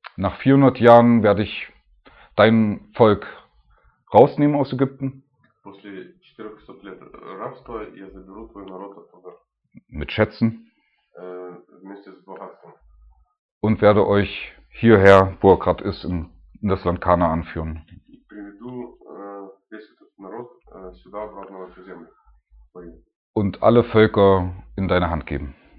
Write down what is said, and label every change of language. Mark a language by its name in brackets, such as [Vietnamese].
[German] Nach 400 Jahren werde ich dein Volk rausnehmen aus Ägypten. [Russian] После 400 лет рабства я заберу твой народ оттуда. [German] Mit Schätzen. [Russian] Вместе с богатством. [German] Und werde euch hierher, wo er gerade ist, in das Land Kanaan führen. Ich [Russian] приведу весь этот народ сюда, обратно в эту землю. [German] Und alle Völker in deine Hand geben.